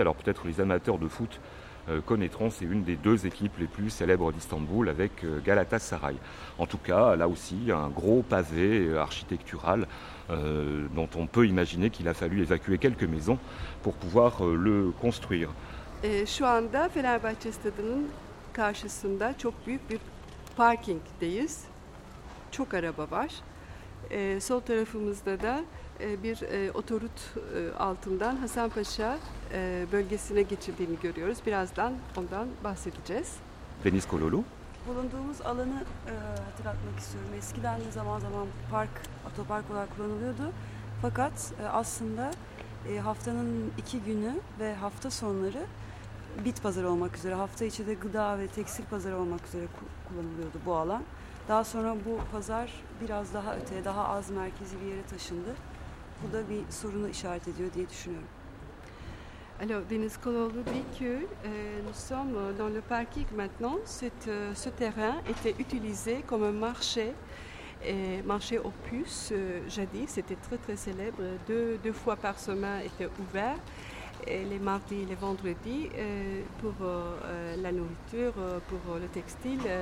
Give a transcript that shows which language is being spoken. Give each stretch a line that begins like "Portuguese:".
French: Alors peut-être les amateurs de foot connaîtront, c'est une des deux équipes les plus célèbres d'Istanbul avec Galatasaray. En tout cas, là aussi, un gros pavé architectural dont on peut imaginer qu'il a fallu évacuer quelques maisons pour pouvoir le construire.
Turkish: Et şu anda Fenerbahçe stadının karşısında çok büyük bir parkingdeyiz. Çok araba var. Sol tarafımızda da bir otorut altından Hasanpaşa bölgesine geçildiğini görüyoruz. Birazdan ondan bahsedeceğiz. Deniz Kololu. Bulunduğumuz alanı hatırlatmak istiyorum. Eskiden de zaman zaman park, otopark olarak kullanılıyordu. Fakat aslında haftanın iki günü ve hafta sonları bit pazarı olmak üzere, hafta içi de gıda ve tekstil pazarı olmak üzere kullanılıyordu bu alan. Daha sonra bu pazar biraz daha öteye, daha az merkezi bir yere taşındı. Bu da bir sorunu işaret ediyor diye düşünüyorum.
French: Alors, Deniz Kololu dit que nous sommes dans le parking maintenant. Ce terrain était utilisé comme un marché, marché aux puces jadis. C'était très très célèbre. Deux fois par semaine était ouvert, les mardis et les vendredis, pour la nourriture, pour le textile.